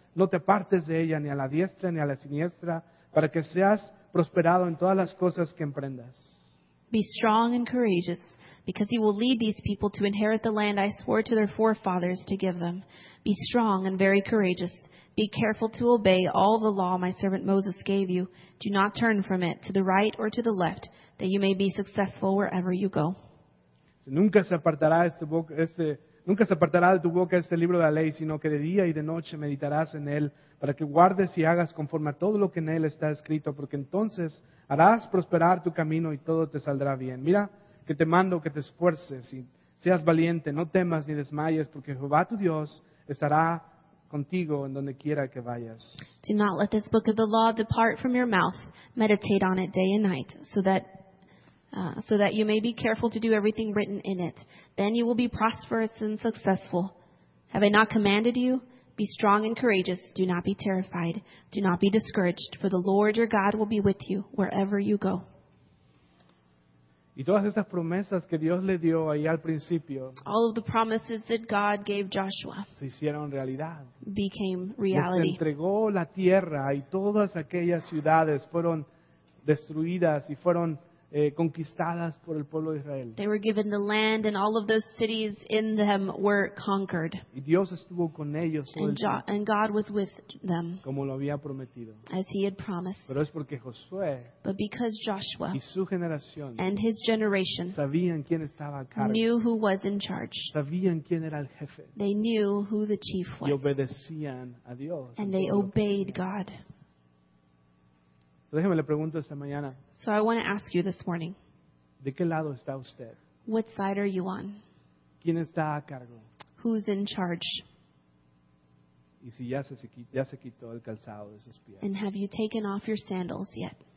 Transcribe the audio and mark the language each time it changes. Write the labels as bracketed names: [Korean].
[Spanish] No te apartes de ella ni a la diestra ni a la siniestra para que seas prosperado en todas las cosas que emprendas. [English] Be strong and courageous, because you will lead these people to inherit the land I swore to their forefathers to give them. Be strong and very courageous. Be careful to obey all the law my servant Moses gave you. Do not turn from it to the right or to the left, that you may be successful wherever you go. [Spanish] Nunca se apartará de tu boca este libro de la ley, sino que de día y de noche meditarás en él, para que guardes y hagas conforme a todo lo que en él está escrito, porque entonces harás prosperar tu camino y todo te saldrá bien. Mira, que te mando que te esfuerces y seas valiente, no temas ni desmayes, porque Jehová tu Dios estará contigo en donde quiera que vayas. [English] Do not let this book of the law depart from your mouth. Meditate on it day and night, so that you may be careful to do everything written in it. Then you will be prosperous and successful. Have I not commanded you? Be strong and courageous. Do not be terrified. Do not be discouraged, for the Lord your God will be with you wherever you go. [Spanish] Y todas esas promesas que Dios le dio ahí al principio. [English] All of the promises that God gave Joshua. [Spanish] Se hicieron realidad. [English] Became reality. [Spanish] Les entregó la tierra y todas aquellas ciudades fueron destruidas y fueron conquistadas por el pueblo de Israel. [English] They were given the land and all of those cities in them were conquered. [Spanish] Y Dios estuvo con ellos todo el tiempo. [English] And God was with them. [Spanish] Como lo había prometido. [English] As he had promised. [Spanish] Pero es porque Josué. [English] But because Joshua. [Spanish] Y su generación. [English] And his generation. [Spanish] Sabían quién estaba a cargo. [English] Knew who was in charge. [Spanish] Sabían quién era el jefe. [English] They knew who the chief was. [Spanish] Y obedecían a Dios. [English] And they obeyed God. [Spanish] Déjeme le pregunto esta mañana. [English] So I want to ask you this morning. [Spanish] ¿De qué lado está usted? [English] What side are you on? [Spanish] ¿Quién está a cargo? [English] Who's in charge? [Spanish] ¿Y si ya se quitó el calzado de sus pies? [English] And have you taken off your sandals yet?